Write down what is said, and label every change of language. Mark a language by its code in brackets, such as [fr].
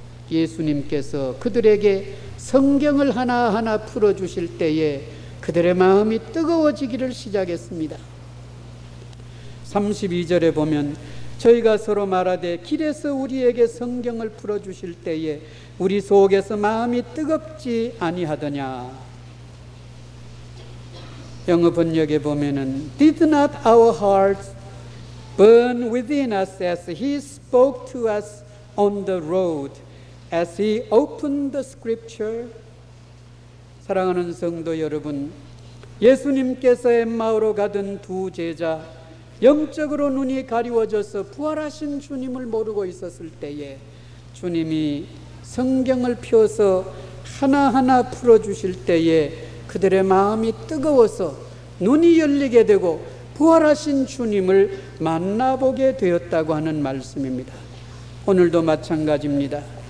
[ko] 예수님께서 그들에게 성경을 하나하나 풀어주실 때에 그들의 마음이 뜨거워지기를 시작했습니다. 32절에 보면 저희가 서로 말하되 길에서 우리에게 성경을 풀어주실 때에 우리 속에서 마음이 뜨겁지 아니하더냐. 영어 번역에 보면은 [en] Did not our hearts burn within us as he spoke to us on the road, as he opened the scripture? [ko] 사랑하는 성도 여러분, 예수님께서 엠마오로 가던 두 제자 영적으로 눈이 가리워져서 부활하신 주님을 모르고 있었을 때에 주님이 성경을 펴서 하나하나 풀어주실 때에 그들의 마음이 뜨거워서 눈이 열리게 되고 부활하신 주님을 만나보게 되었다고 하는 말씀입니다. 오늘도 마찬가지입니다.